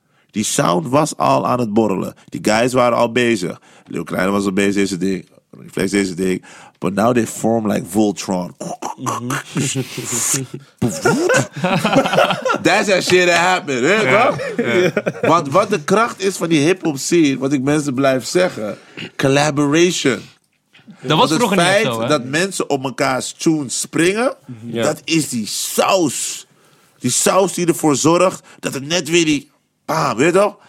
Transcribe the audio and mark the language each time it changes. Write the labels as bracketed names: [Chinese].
[Dutch] Die sound was al aan het borrelen. Die guys waren al bezig. Lil Kleine was al bezig, deze ding. Ronnie Flex, deze ding. [English] But now they form like Voltron. That's that shit that happened. Yeah. Yeah. [Dutch] Want wat de kracht is van die hip-hop scene, wat ik mensen blijf zeggen, collaboration. Dat was vroeger het feit niet zo, hè? Dat mensen op elkaars tune springen, yeah. Dat is die saus. Die saus die ervoor zorgt dat het net weer die bam, weet je toch?